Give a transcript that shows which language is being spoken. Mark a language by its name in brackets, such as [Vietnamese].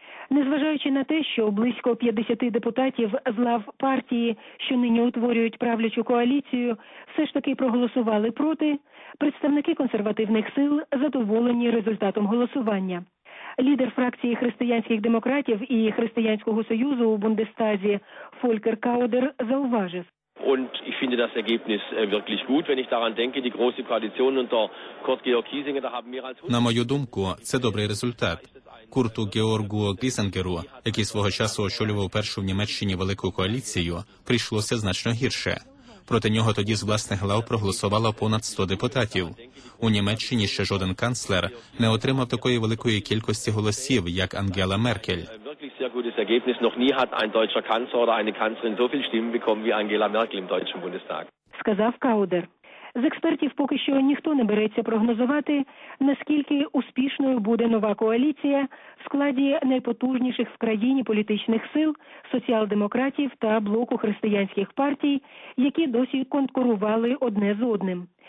[Ukrainian] Незважаючи на те, що близько 50 депутатів з лав партії, що нині утворюють правлячу коаліцію, все ж таки проголосували проти, представники консервативних сил задоволені результатом голосування. Лідер фракції християнських демократів і Християнського союзу у Бундестазі Фолькер Каудер зауважив. [German] Und ich finde das Ergebnis wirklich gut, wenn ich daran denke, die große Koalition unter Kurt Georg Kiesinger, da haben mehr als 100... [Ukrainian] На мою думку, це добрий результат. Курту Георгу Кісінджеру, який свого часу очолював першу в Німеччині велику коаліцію, прийшлося значно гірше. Проти нього тоді з власних лав проголосувало понад 100 депутатів. У Німеччині ще жоден канцлер не отримав такої великої кількості голосів, як Ангела Меркель. [German] Gutes Ergebnis noch nie hat ein deutscher Kanzler oder eine Kanzlerin so viel Stimmen bekommen wie Angela Merkel im deutschen Bundestag. [Ukrainian] Сказав Каудер. З експертів поки що ніхто не береться прогнозувати, наскільки успішною буде нова коаліція в складі найпотужніших в країні політичних сил, соціал-демократів та блоку християнських партій, які досі конкурували одне з одним.